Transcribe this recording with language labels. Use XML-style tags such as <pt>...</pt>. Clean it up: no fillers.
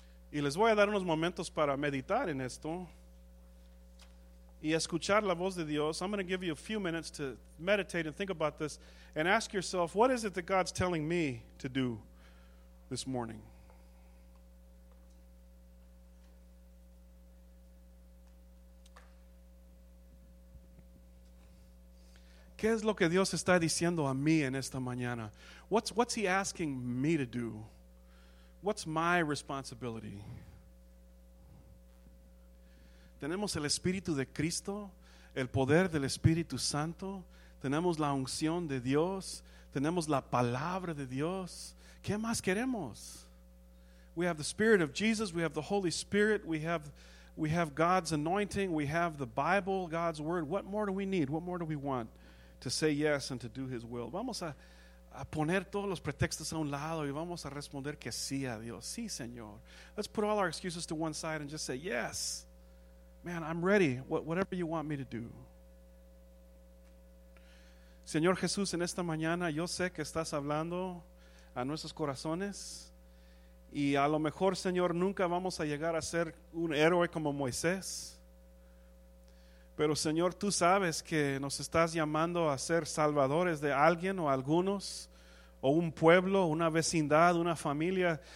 <es>Y les voy a dar unos momentos para meditar en esto y escuchar la voz de Dios.</es> <en>I'm going to give you a few minutes to meditate and think about this and ask yourself, what is it that God's telling me to do this morning?</en> <es>¿Qué es lo que Dios está diciendo a mí en esta mañana?</es> <en>What's he asking me to do? What's my responsibility?</en> <es>Tenemos el Espíritu de Cristo, el poder del Espíritu Santo, tenemos la unción de Dios, tenemos la palabra de Dios. ¿Qué más queremos?</es> <en>We have the Spirit of Jesus, we have the Holy Spirit, we have God's anointing, we have the Bible, God's Word. What more do we need? What more do we want to say yes and to do his will?</en> <es>Vamos a poner todos los pretextos a un lado y vamos a responder que sí a Dios. Sí, Señor.</es> <en>Let's put all our excuses to one side and just say yes. Man, I'm ready. Whatever you want me to do.</en> <es>Señor Jesús, en esta mañana yo sé que estás hablando a nuestros corazones y a lo mejor, Señor, nunca vamos a llegar a ser un héroe como Moisés. Pero Señor, tú sabes que nos estás llamando a ser salvadores de alguien o algunos, o un pueblo, una vecindad, una familia.</es>